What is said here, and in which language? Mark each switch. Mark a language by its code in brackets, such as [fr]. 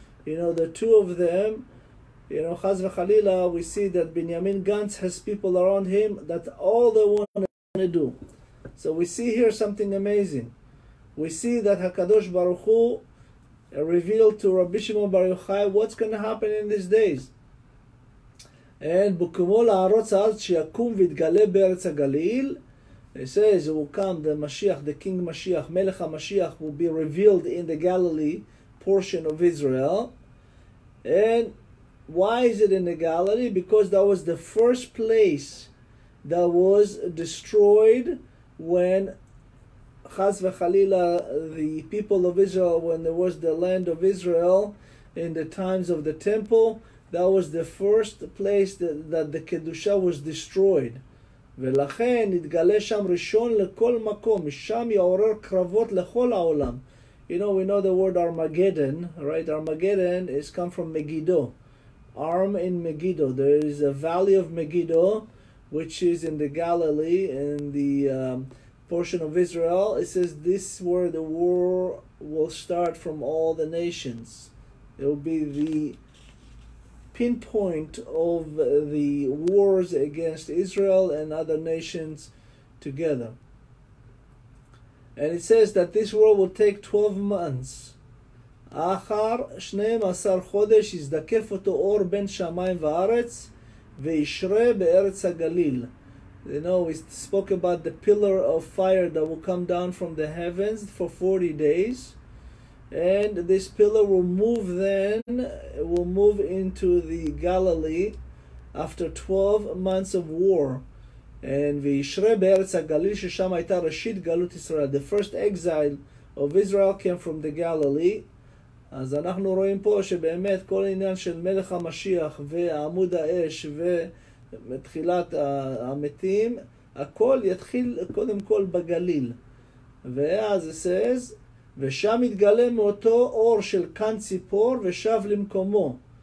[en] You know, the two of them, you know, Chas v'Chalila, we see that Binyamin Gantz has people around him that all they want to do. So we see here something amazing. We see that HaKadosh Baruch Hu revealed to Rabbi Shimon Bar Yochai what's going to happen in these days. And [he] בקומו לארץ הארץ שיקום ויתגלה בארץ הגליל, [en] he says, he will come, the Mashiach, the King Mashiach, מלך המשיח, will be revealed in the Galilee portion of Israel. And why is it in the Galilee? Because that was the first place that was destroyed when חס וחלילה, the people of Israel, when there was the land of Israel in the times of the temple, that was the first place that the Kedusha was destroyed. [he] ולכן התגלה שם ראשון לכל מקום, משם יעורר קרבות לכל העולם. [en] You know, we know the word Armageddon, right? Armageddon is come from Megiddo. Arm in Megiddo. There is a valley of Megiddo, which is in the Galilee, in the portion of Israel. It says this is where the war will start from all the nations. It will be the pinpoint of the wars against Israel and other nations together. And it says that this war will take 12 months. [he] אחר 12 חודש יזדקף אותו אור בין שמיים וארץ וישרה בארץ הגליל. [en] You know, we spoke about the pillar of fire that will come down from the heavens for 40 days. And this pillar will move then, will move into the Galilee after 12 months of war. [he] And וישרה בארץ הגליל ששם הייתה ראשית גלות ישראל. [en] The first exile of Israel came from the Galilee. [he] אז אנחנו רואים פה שבאמת כל עניין של מלך המשיח ועמוד האש ומתחילת המתים, הכל יתחיל קודם כל בגליל. ואז [en] it says, [he] ושם יתגלה מאותו אור של כאן ציפור ושב למקומו.